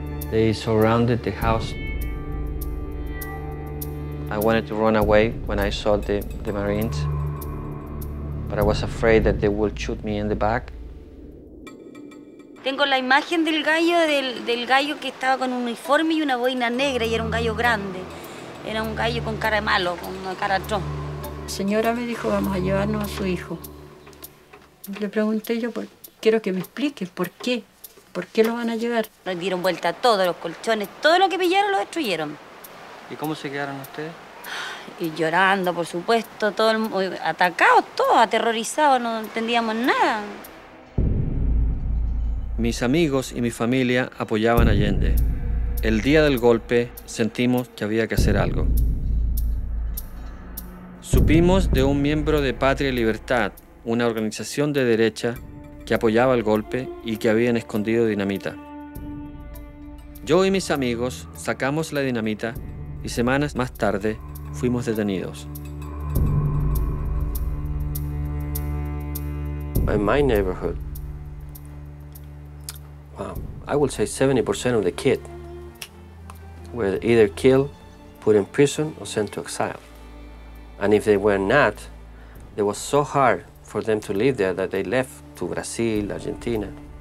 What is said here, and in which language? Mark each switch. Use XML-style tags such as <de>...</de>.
<en>They surrounded the house. I wanted to run away when I saw the Marines, but I was afraid that they would shoot me in the back.</en> <es>Tengo la imagen del gallo, del gallo que estaba con un uniforme y una boina negra y era un gallo grande. Era un gallo con cara de malo, con una cara de tron. La señora me dijo, vamos a llevarnos a su hijo. Le pregunté yo, quiero que me explique por qué. ¿Por qué lo van a llevar? Nos dieron vuelta a todos los colchones, todo lo que pillaron lo destruyeron. ¿Y cómo se quedaron ustedes? Y llorando, por supuesto, todo el mundo, atacados todos, aterrorizados, no entendíamos nada. Mis amigos y mi familia apoyaban a Allende. El día del golpe sentimos que había que hacer algo. Supimos de un miembro de Patria y Libertad, una organización de derecha que apoyaba el golpe y que habían escondido dinamita. Yo y mis amigos sacamos la dinamita y semanas más tarde fuimos detenidos.</es> <en>In my neighborhood, well, I would say 70% of the kids were either killed, put in prison, or sent to exile. And if they were not, it was so hard for them to live there that they left to Brazil, Argentina.</en>